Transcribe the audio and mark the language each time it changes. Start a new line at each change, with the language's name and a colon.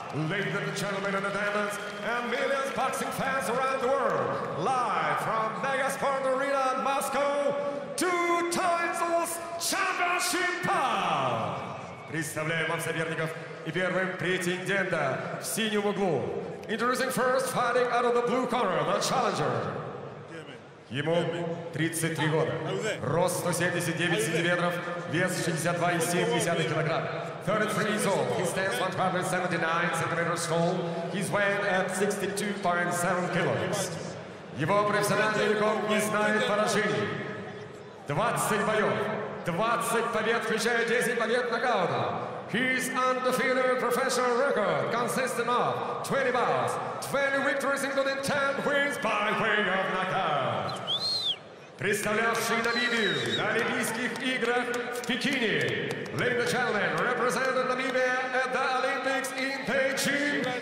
English: Ladies and gentlemen in attendance, and millions of boxing fans around the world, live from Megasport Arena in Moscow, two titles championship bout.
Russian: Представляем вам соперников и первым претендента в синем углу.
English: Introducing first, fighting out of the blue corner, the challenger.
Russian: Ему 33 года. Рост 179 сантиметров, вес 62,7 килограмма.
English: 33 years old. He stands 179 centimeters tall. He's weighed at 62.7 kilos.
Russian: Его профессиональный рекорд не знает поражений. 20 боев. 20 побед, включая 10 побед нокаута.
English: His undefeated professional record consists of 20 bouts, 20 victories, including 10 wins by way of knockout.
Russian: Представлявший Намибию на Олимпийских играх в Пекине.
English: Ladies and gentlemen, representing Namibia at the Olympics in Beijing.